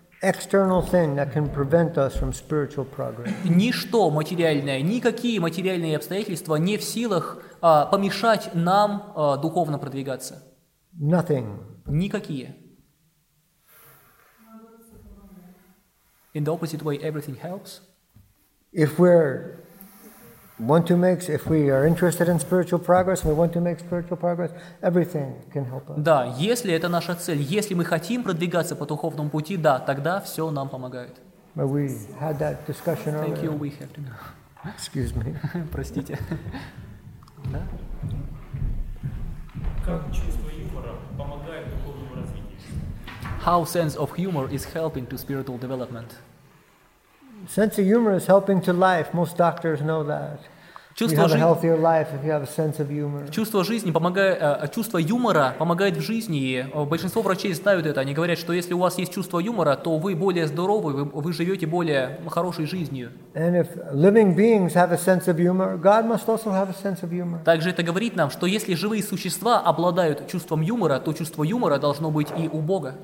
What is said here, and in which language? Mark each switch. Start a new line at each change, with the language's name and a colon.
English: External thing that can prevent us from spiritual progress.
Russian: Ничто материальное, никакие материальные обстоятельства не в силах помешать нам духовно продвигаться.
English: Nothing.
Russian: Никакие.
English: In the opposite way, everything helps. If we are interested in spiritual progress, we want to make spiritual progress, everything can help us.
Russian: Да, если это наша цель, если мы хотим продвигаться по духовному пути, да, тогда все нам помогает.
English: But we had that discussion earlier. Thank you, we have to go. Excuse me.
Russian: Простите. Да? Как чувство юмора помогает духовному развитию?
English: How sense of humor is helping to spiritual development? Sense of humor is helping to life. Most doctors know that.
Russian: Чувство
English: you have a healthier life if you have a sense of humor.
Russian: Чувство юмора помогает в жизни. Большинство врачей знают это. Они говорят, что если у вас есть чувство юмора, то вы более здоровы, вы живете более хорошей жизнью.
English: And if living beings have a sense of humor, God must also have a sense of humor.
Russian: Также это говорит нам, что если живые существа обладают чувством юмора, то чувство юмора должно быть и у Бога.